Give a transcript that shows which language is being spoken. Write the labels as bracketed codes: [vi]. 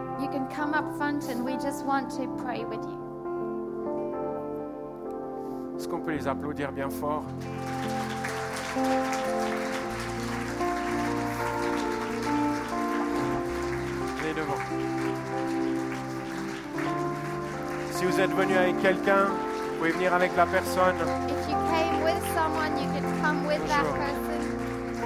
[en] You can come up front and we just want to pray with you. [fr] Est-ce qu'on peut les applaudir bien fort? Venez devant. Si vous êtes venu avec quelqu'un, vous pouvez venir avec la personne. [en] If you came with someone, you can come with that person.